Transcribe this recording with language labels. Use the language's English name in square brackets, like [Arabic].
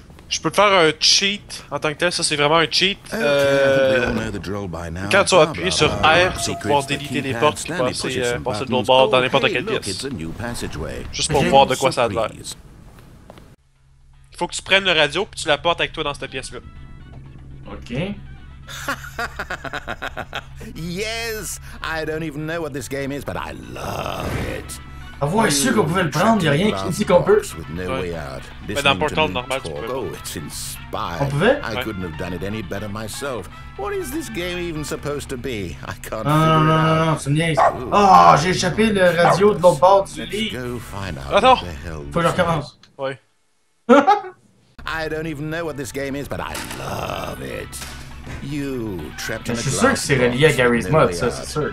[French] Je peux te faire un cheat en tant que tel, ça c'est vraiment un cheat. Quand tu appuies sur R, tu vas pouvoir déliter les portes et passer de l'autre bord dans n'importe quelle pièce. Juste pour voir de quoi ça a l'air. Faut que tu prennes le radio puis tu la portes avec toi dans cette pièce-là. Ok. [English] Yes, I don't even know what this game is, but I love it. [French] Avoir su qu'on pouvait le prendre, y'a rien qui dit qu'on peut. Mais dans Portal normal, On pouvait? Ouais. [English] What is this game even supposed to be? I can't. [French] Non, c'est une niaise. Oh, j'ai échappé le radio de l'autre bord du lit. Attends. Faut que je recommence. Oui. [English] I don't even know what this game is, but I love it. You trapped in a glass. [French] Je suis sûr que c'est relié à Gary's Mod, ça c'est sûr.